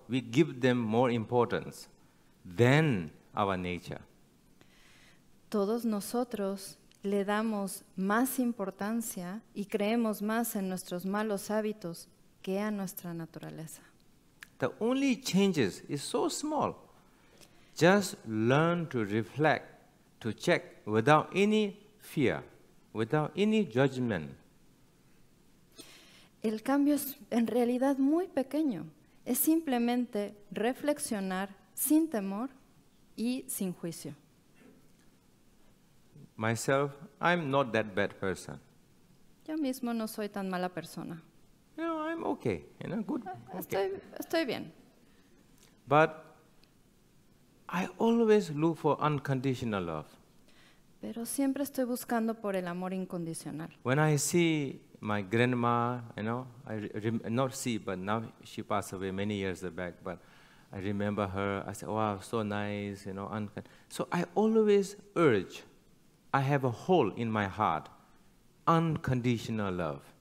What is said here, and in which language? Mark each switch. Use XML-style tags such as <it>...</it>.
<en>We give them more importance than our nature.</en> <es>Todos nosotros le damos más importancia y creemos más en nuestros malos hábitos que a nuestra naturaleza.</es> <en>The only changes is so small. Just learn to reflect, to check without any fear, without any judgment.</en> <es>El cambio es en realidad muy pequeño. Es simplemente reflexionar sin temor y sin juicio.</es> <en>Myself, I'm not that bad person.</en> <es>Yo mismo no soy tan mala persona.</es> <en>No, I'm okay. You know, good.</en> <es>Estoy bien.</es> <en>But I always look for unconditional love.</en> <es>Pero siempre estoy buscando por el amor incondicional.</es> <en>When I see my grandma, you know, now she passed away many years back, but I remember her. I said, wow, so nice, you know. So I always urge, I have a hole in my heart, unconditional love.</en>